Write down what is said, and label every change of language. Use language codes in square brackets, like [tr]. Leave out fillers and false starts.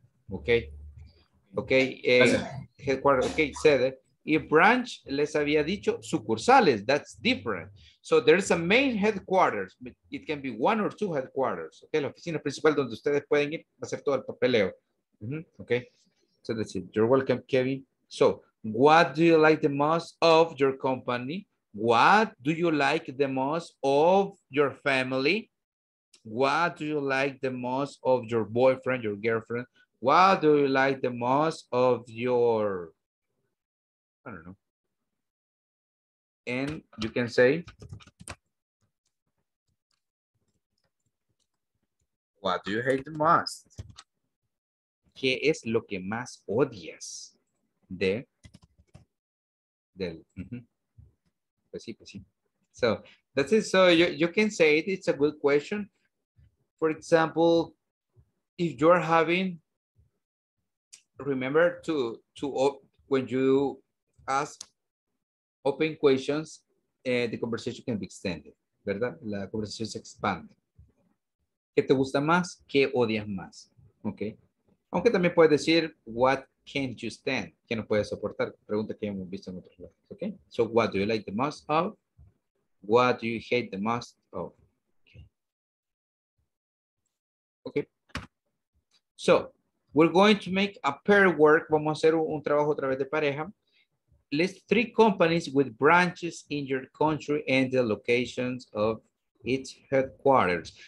[en] Okay? Okay, headquarters, okay, sede. [es] Y branch, les había dicho, sucursales, [en] that's different. So there is a main headquarters, it can be one or two headquarters. [es] Okay, la oficina principal donde ustedes pueden ir a hacer todo el papeleo. [en] Mm-hmm. Okay, so that's it. You're welcome, Kevin. So, what do you like the most of your company? What do you like the most of your family? What do you like the most of your boyfriend, your girlfriend? What do you like the most of your... I don't know. And you can say, what do you hate the most? [es] ¿Qué es lo que más odias de del? Mm-hmm. Pues sí, pues sí. [en] So that's it. So you can say it. It's a good question. For example, if you're having, remember to when you ask open questions, the conversation can be extended, ¿verdad? [es] La conversación se expande. ¿Qué te gusta más? ¿Qué odias más? Okay. Aunque también puedes decir, [en] what can't you stand? [es] ¿Qué no puedes soportar? Pregunta que hemos visto en otros lugares. Okay. [en] So what do you like the most of? What do you hate the most of? Okay. Okay. So we're going to make a pair work. [es] Vamos a hacer un trabajo otra vez de pareja. [en] List three companies with branches in your country and the locations of its headquarters.